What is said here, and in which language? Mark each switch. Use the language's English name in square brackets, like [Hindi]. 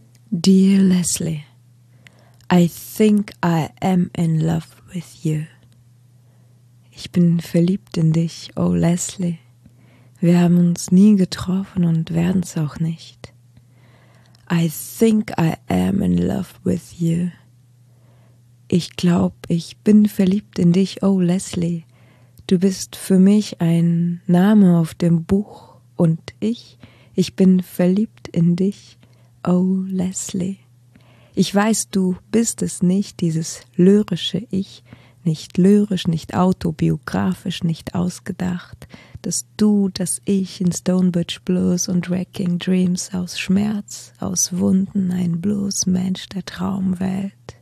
[English] Dear Leslie, I think I am in love with you. [German] Ich bin verliebt in dich, oh Leslie. Wir haben uns nie getroffen und werden's auch nicht. [English] I think I am in love with you. [German] Ich glaub, ich bin verliebt in dich, oh Leslie. Du bist für mich ein Name auf dem Buch und ich bin verliebt in dich, oh Leslie. Ich weiß, du bist es nicht, dieses lyrische Ich, nicht lyrisch, nicht autobiografisch, nicht ausgedacht, dass du, dass ich in Stonebridge Blues und Wrecking Dreams aus Schmerz, aus Wunden ein bloß Mensch der Traumwelt.